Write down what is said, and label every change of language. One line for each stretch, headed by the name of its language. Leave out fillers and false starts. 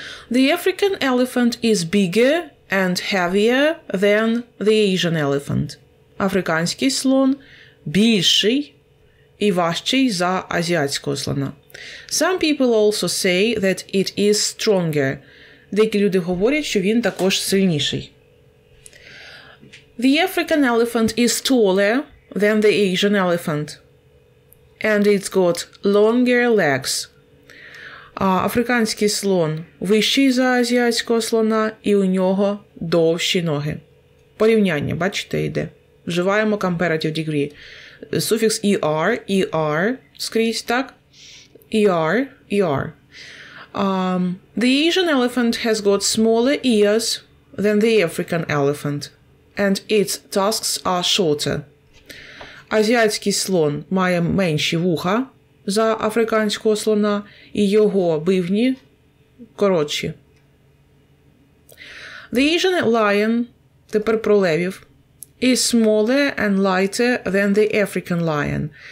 English: The African elephant is bigger and heavier than the Asian elephant.
Ukrainian: Африканський слон більший і важчий за азіатського слона.
English: Some people also say that it is stronger.
Ukrainian: Деякі люди говорять, що він також сильніший.
English: The African elephant is taller than the Asian elephant. And it's got longer legs.
Ukrainian: Африканський слон вищий за азіатського слона і у нього довші ноги. Порівняння, бачите, йде. Вживаємо comparative degree. Суфікс er, er, скрізь, так? Er, er.
English: The Asian elephant has got smaller ears than the African elephant. And its tusks are shorter.
Ukrainian: Азіатський слон має менші вуха за африканського слона, і його бивні коротші.
English: The Asian lion,
Ukrainian: тепер про левів,
English: is smaller and lighter than the African lion.